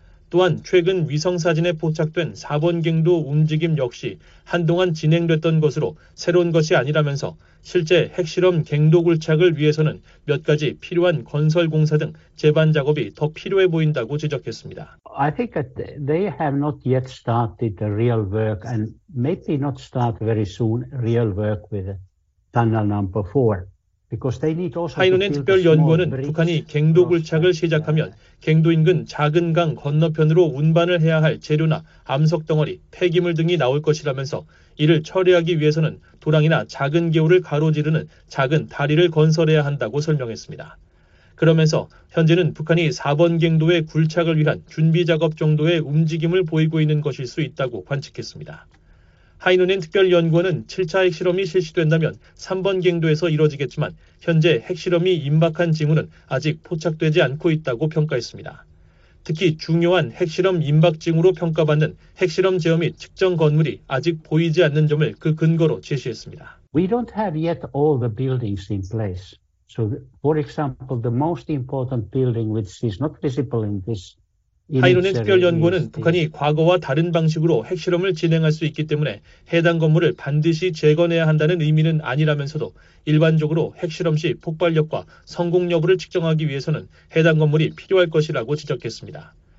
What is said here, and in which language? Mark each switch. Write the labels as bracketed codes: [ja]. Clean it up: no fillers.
[ko] 또한 최근 위성사진에 포착된 4번 갱도 움직임 역시 한동안 진행됐던 것으로 새로운 것이 아니라면서 실제 핵실험 갱도 굴착을 위해서는 몇 가지 필요한 건설공사 등 재반 작업이 더 필요해 보인다고 지적했습니다. [en] I think that they have not yet started the real work and maybe not start very soon real work with tunnel number 4. [ko] 하이논의 특별연구원은 북한이 갱도 굴착을 시작하면 갱도 인근 작은 강 건너편으로 운반을 해야 할 재료나 암석 덩어리, 폐기물 등이 나올 것이라면서 이를 처리하기 위해서는 도랑이나 작은 개울을 가로지르는 작은 다리를 건설해야 한다고 설명했습니다. 그러면서 현재는 북한이 4번 갱도의 굴착을 위한 준비 작업 정도의 움직임을 보이고 있는 것일 수 있다고 관측했습니다. 하이논엔 특별연구원은 7차 핵실험이 실시된다면 3번 갱도에서 이뤄지겠지만 현재 핵실험이 임박한 징후는 아직 포착되지 않고 있다고 평가했습니다. 특히 중요한 핵실험 임박징후로 평가받는 핵실험 제어 및 측정 건물이 아직 보이지 않는 점을 그 근거로 제시했습니다. [en] We don't have yet all the buildings in place. So for example, the most important building which is not visible in this [ko] 하이논의 특별연구원은 북한이 과거와 다른 방식으로 핵실험을 진행할 수 있기 때문에 해당 건물을 반드시 재건해야 한다는 의미는 아니라면서도 일반적으로 핵실험 시 폭발력과 성공 여부를 측정하기 위해서는 해당 건물이 필요할 것이라고 지적했습니다.